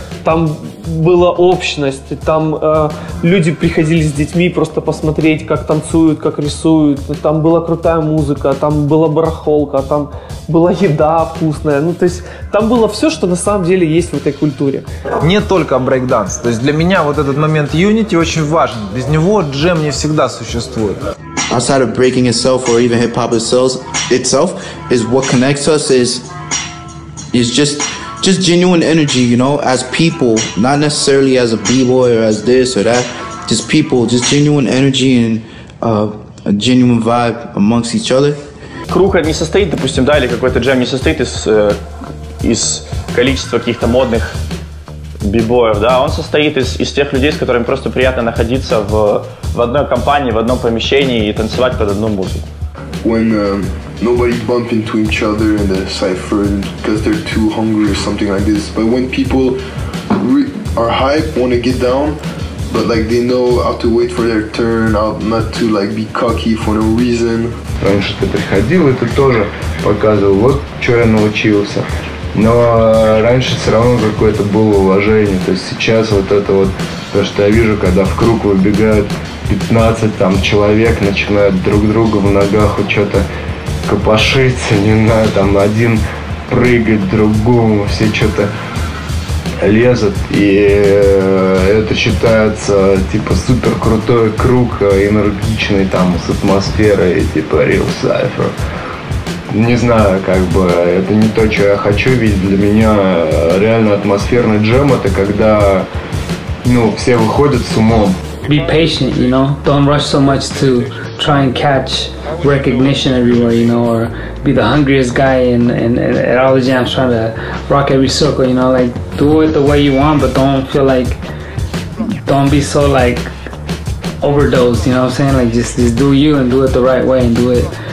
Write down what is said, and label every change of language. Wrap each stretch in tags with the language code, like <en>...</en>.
<ru>Там была общность, там люди приходили с детьми просто посмотреть, как танцуют, как рисуют. Там была крутая музыка, там была барахолка, там была еда вкусная. Ну, то есть там было все, что на самом деле есть в этой культуре. Не только брейк-данс. То есть для меня вот этот момент Unity очень важен. Без него джем не всегда существует.</ru> <en>Outside of breaking itself or even hip-hop itself is what connects us is just genuine energy, you know, as people, not necessarily as a b-boy or as this or that, just people, just genuine energy and a genuine vibe amongst each other.</en> <ru>Круг не состоит, допустим, да, или какой-то джем не состоит из количества каких-то модных бибоев, да, он состоит из тех людей, с которыми просто приятно находиться в одной компании, в одном помещении и танцевать под одну музыку.</ru> <en>When nobody bump into each other in the cypher because they're too hungry or something like this, but when people are hype, want to get down, but like they know how to wait for their turn, how not to like be cocky for no reason.</en> <ru>Раньше ты приходил, и ты тоже показывал, вот что я научился. Но раньше все равно какое-то было уважение. То есть сейчас вот это вот, то, что я вижу, когда в круг выбегают 15 там человек, начинают друг друга в ногах что-то копошиться, не знаю, там один прыгает другому, все что-то лезут. И это считается типа супер крутой круг, энергичный там с атмосферой, типа Real Cypher. Не знаю, как бы, это не то, что я хочу, ведь для меня реально атмосферный джем — это когда, ну, все выходят с умом.</ru> <en>Be patient, you know, don't rush so much to try and catch recognition everywhere, you know, or be the hungriest guy and all the jams trying to rock every circle, you know, like, do it the way you want, but don't feel like, don't be so, like, overdosed, you know what I'm saying, like, just do you and do it the right way and do it.</en>